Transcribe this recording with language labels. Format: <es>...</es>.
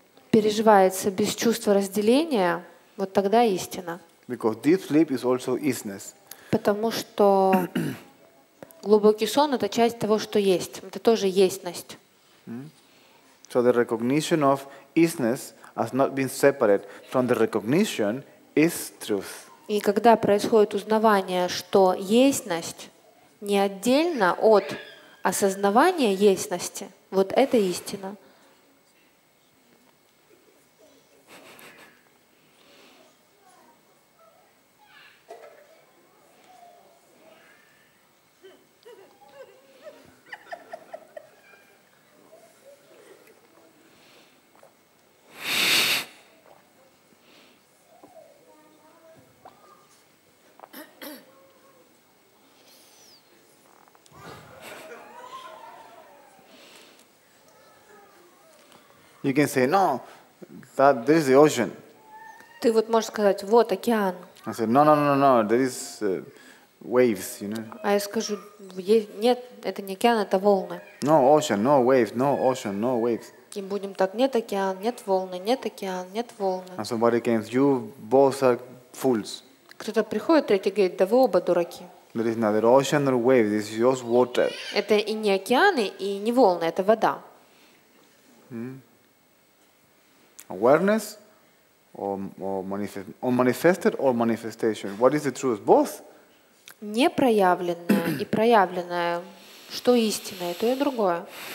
<ru>Переживается без чувства разделения, вот тогда истина.</ru> <en>Because deep sleep is also isness.</en> <ru>Потому что глубокий сон — это часть того, что есть. Это тоже естьность.</ru> <en>So the recognition of isness has not been separate from the recognition is truth.</en> <ru>И когда происходит узнавание, что естьность не отдельно от осознавания естьности, вот это истина.</ru> <en>You can say, no, that there is the ocean.</en> <ru>Ты вот можешь сказать, вот океан.</ru> <en>I said, no, there is waves, you know.</en> <ru>А я скажу, нет, это не океан, это волны.</ru> <en>No ocean, no waves, no ocean, no waves.</en> <ru>И будем так, нет океан, нет волны, нет океан, нет волны.</ru> <en>And somebody came, you both are fools.</en> <ru>Кто-то приходит, третий говорит, да вы оба дураки.</ru> <en>There is neither ocean nor waves, this is just water.</en> <ru>Это и не океаны, и не волны, это вода.</ru> <en>Awareness or manifested or manifestation. What is the truth? Both?</en> <ru>Непроявленное и проявленное. Что истинное, то и другое.</ru>